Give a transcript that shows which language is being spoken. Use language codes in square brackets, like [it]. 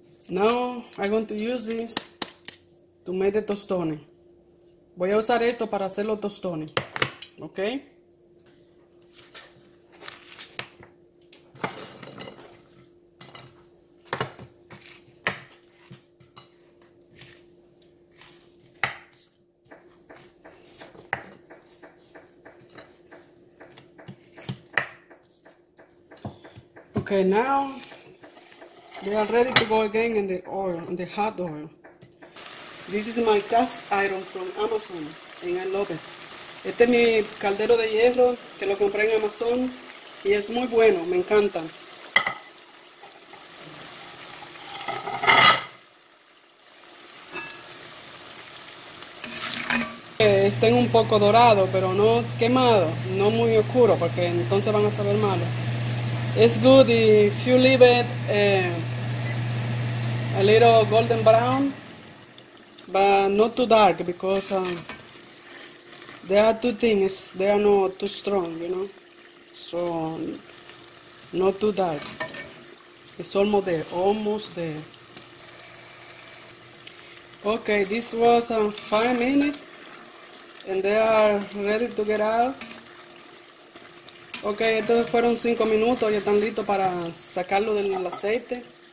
[en] Now I'm going to use this to make the tostone. [es] Voy a usar esto para hacer los tostones. [en] Okay? Okay, now they are ready to go again in the oil, in the hot oil. This is my cast iron from Amazon, and I love it. [es] Este es mi caldero de hierro que lo compré en Amazon y es muy bueno, me encanta. Está un poco dorado, pero no quemado, no muy oscuro, porque entonces van a saber malo. [en] It's good if you leave it. A little golden brown, but not too dark because they are too thin, they are not too strong, you know. So, not too dark. It's almost there, almost there. Okay, this was 5 minutes and they are ready to get out. [es] Okay, estos fueron 5 minutos y están listos para sacarlo del aceite.